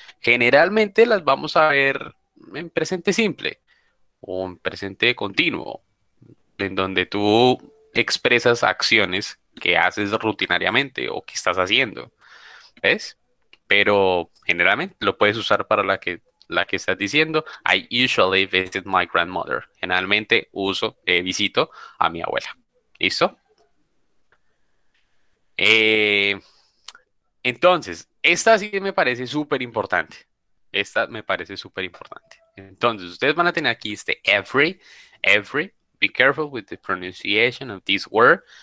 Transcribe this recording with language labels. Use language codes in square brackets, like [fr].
[es] Generalmente las vamos a ver en presente simple o en presente continuo, en donde tú expresas acciones que haces rutinariamente o que estás haciendo. ¿Ves? Pero generalmente lo puedes usar para la que estás diciendo. [en] I usually visit my grandmother. [es] Generalmente uso, visito a mi abuela. ¿Listo? Entonces, esta sí me parece súper importante. Esta me parece súper importante. Entonces, ustedes van a tener aquí este every. [en] Be careful with the pronunciation of this word.